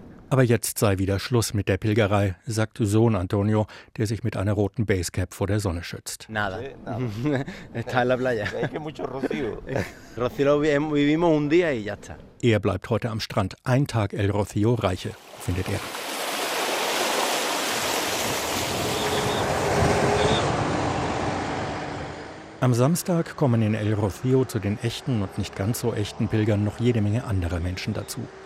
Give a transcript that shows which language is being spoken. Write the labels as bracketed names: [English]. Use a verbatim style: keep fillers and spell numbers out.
[German] Aber jetzt sei wieder Schluss mit der Pilgerei, sagt Sohn Antonio, der sich mit einer roten Basecap vor der Sonne schützt. [Spanish] Nada. Está en la playa. Rocío vivimos un día y ya está. [German] Er bleibt heute am Strand. Ein Tag El Rocío reiche, findet er. Am Samstag kommen in El Rocío zu den echten und nicht ganz so echten Pilgern noch jede Menge anderer Menschen dazu.